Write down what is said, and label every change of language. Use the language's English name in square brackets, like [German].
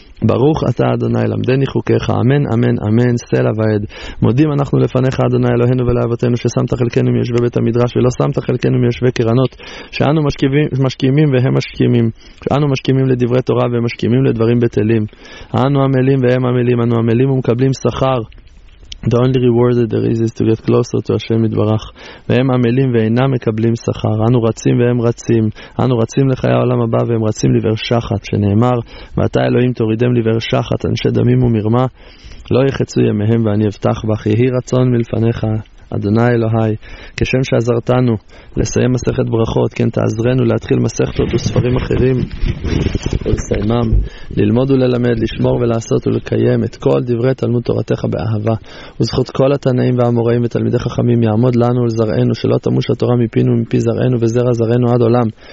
[Hebrew] ברוך אתה אדוני למדני חוקיך, אמן אמן אמן, סלע ועד. מודים אנחנו לפניך אדוני אלוהינו ולאבותינו, ששמת חלקנו מיושבי בית המדרש, ולא שמת חלקנו מיושבי קרנות, שאנו משכימים והם משכימים, שאנו משכימים לדברי תורה והם משכימים לדברים בטלים, אנו עמלים והם עמלים, אנו עמלים ומקבלים שכר. [English] The only reward that there is to get closer to Hashem Yitbarach. [Hebrew] והם עמלים ואינם מקבלים שכר. אנו רצים והם רצים. אנו רצים לחיי העולם הבא והם רצים לבאר שחת. שנאמר, ואתה אלוהים תורידם לבאר שחת, אנשי דמים ומרמה, לא יחצו ימיהם ואני אבטח בך. יהי רצון מלפניך, אדוני אלוהי, כשם שעזרתנו לסיים מסכת ברכות, כן תעזרנו להתחיל מסכתות וספרים אחרים ולסיימם, ללמוד וללמד, לשמור ולעשות ולקיים את כל דברי תלמוד תורתך באהבה, וזכות כל התנאים והמוראים ותלמידי חכמים יעמוד לנו ולזרענו, שלא תמוש התורה מפינו ומפי זרענו וזרע זרענו עד עולם,